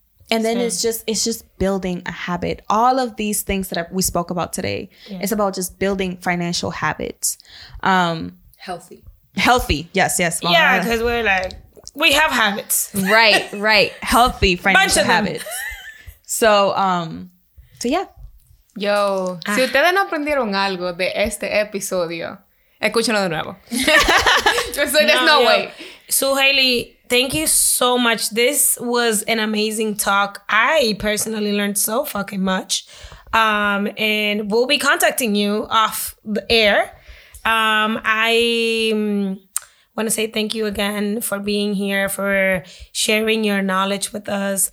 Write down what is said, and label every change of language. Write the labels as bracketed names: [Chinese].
[English] And then it's just building a habit. All of these things that we spoke about today, it's about just building financial habits. Healthy. Healthy. Yes. Yeah, because we're like, we have habits. Right, right. Healthy financial habits. So, yeah. [Spanish] Yo, si ustedes no aprendieron algo de este episodio, escúchenlo de nuevo. [English] There's no way. So, Hailey, thank you so much. This was an amazing talk. I personally learned so fucking much. And we'll be contacting you off the air. I want to say thank you again for being here, for sharing your knowledge with us.